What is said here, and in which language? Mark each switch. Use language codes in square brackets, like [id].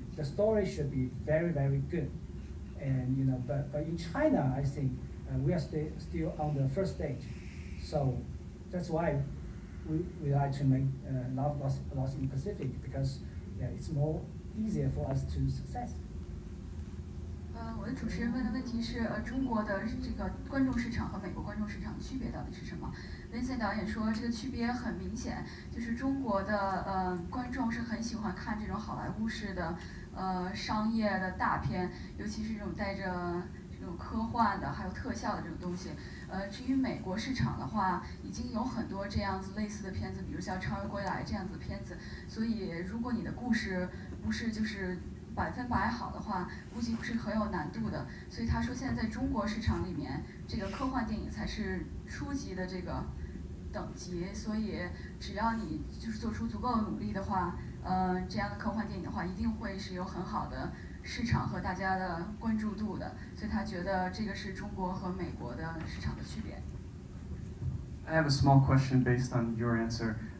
[en] The story should be very, very good, and, you know, but in China, I think we are still on the first stage. So that's why we like to make Lost in the Pacific, because yeah, it's more easier for us to success. [zh] 主持人问的问题是，中国的这个观众市场和美国观众市场的区别到底是什么？ Vincent导演说，这个区别很明显，就是中国的观众是很喜欢看这种好莱坞式的商业的大片，尤其是这种带着这种科幻的还有特效的这种东西。至于美国市场的话，已经有很多这样子类似的片子，比如像《超越归来》这样子的片子。所以，如果你的故事不是就是百分百好的话，估计是很有难度的。所以他说，现在在中国市场里面，这个科幻电影才是初级的这个等级。所以只要你就是做出足够的努力的话，这样的科幻电影的话，一定会是有很好的市场和大家的关注度的。所以他觉得这个是中国和美国的市场的区别。 [en] I have a small question based on your answer.